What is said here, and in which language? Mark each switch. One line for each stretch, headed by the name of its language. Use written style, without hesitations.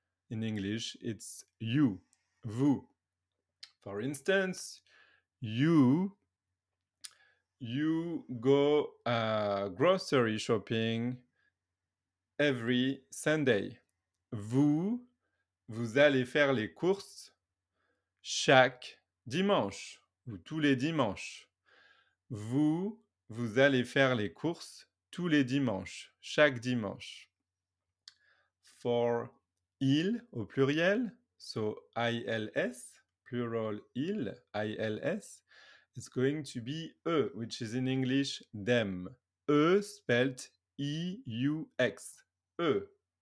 English: In English, it's you, vous. For instance, you go grocery shopping every Sunday.
French: Vous allez faire les courses chaque dimanche ou tous les dimanches. Vous allez faire les courses tous les dimanches, chaque dimanche.
English: For il au pluriel, so ils, plural il, ils, it's going to be eux, which is in English them. Eux spelled EUX. Eux.